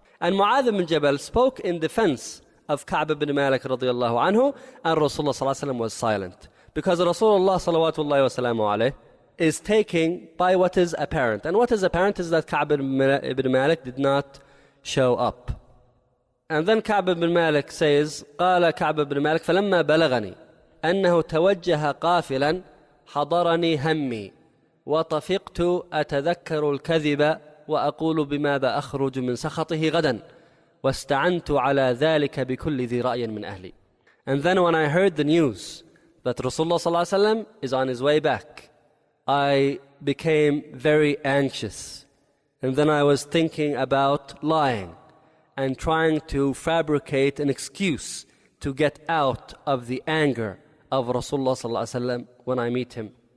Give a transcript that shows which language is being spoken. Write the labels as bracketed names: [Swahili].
[English] And Mu'adh ibn Jabal spoke in defense of Ka'b ibn Malik radiallahu anhu, and Rasulullah sallallahu alayhi wa sallam was silent. Because Rasulullah sallallahu alayhi wa sallam is taking by what is apparent. And what is apparent is that Ka'b ibn Malik did not show up. And then Ka'b ibn Malik says, [Arabic] قال Ka'b ibn Malik فلما بلغني أنه توجه قافلا حضرني همي وطفقت أتذكر الكذب وأقول بماذا أخرج من سخطه غدا واستعنت على ذلك بكل ذي رأي من أهلي. [English] And then when I heard the news that Rasulullah [Arabic] صلى الله عليه وسلم [English] is on his way back, I became very anxious. And then I was thinking about lying and trying to fabricate an excuse to get out of the anger of Rasulullah [Arabic] صلى الله عليه وسلم [English] when I meet him.